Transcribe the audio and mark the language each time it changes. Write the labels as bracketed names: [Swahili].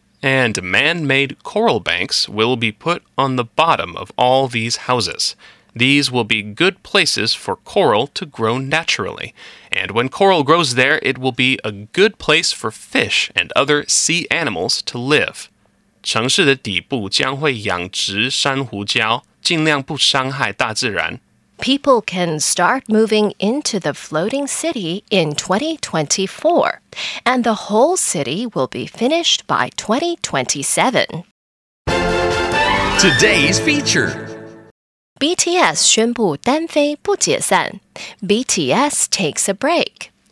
[English] And man-made coral banks will be put on the bottom of all these houses. These will be good places for coral to grow naturally. And when coral grows there, it will be a good place for fish and other sea animals to live. [Chinese] 城市的底部将会养殖珊瑚礁，尽量不伤害大自然。 [English] People can start moving into the floating city in 2024, and the whole city will be finished by 2027. Today's feature. [Chinese] BTS 宣布单飞不解散。 [English] BTS takes a break.